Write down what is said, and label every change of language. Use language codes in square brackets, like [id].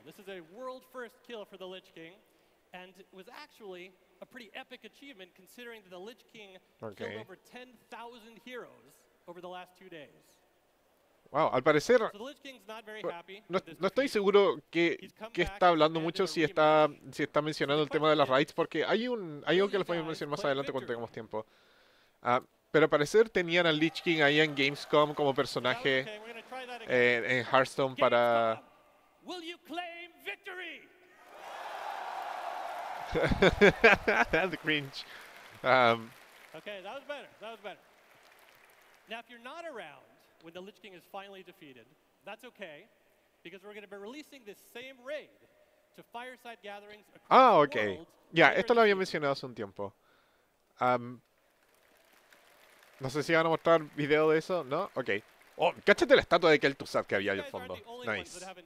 [en] This is a world first kill for the Lich King, and was actually a pretty epic achievement considering that the Lich King killed over 10,000 heroes over the last 2 days. [es] Wow. Al parecer. [en] So the Lich King's not very happy. [es] No estoy seguro que está hablando mucho si está mencionando el tema de las raids, porque hay algo que les voy a mencionar más adelante cuando tengamos tiempo. Pero al parecer tenían al Lich King ahí en Gamescom como personaje. En Hearthstone para... [en] Will you claim victory? The cringe. Okay, that was better. That was better. Now, if you're not around when the Lich King is finally defeated, that's okay, because we're going to be releasing this same raid to Fireside Gatherings across the world. Ah, okay. [es] Ya, esto lo había mencionado hace un tiempo. No sé si van a mostrar video de eso, ¿no? Okay. Oh, cáchate la estatua de Kel'Thuzad que había ahí al fondo. Nice.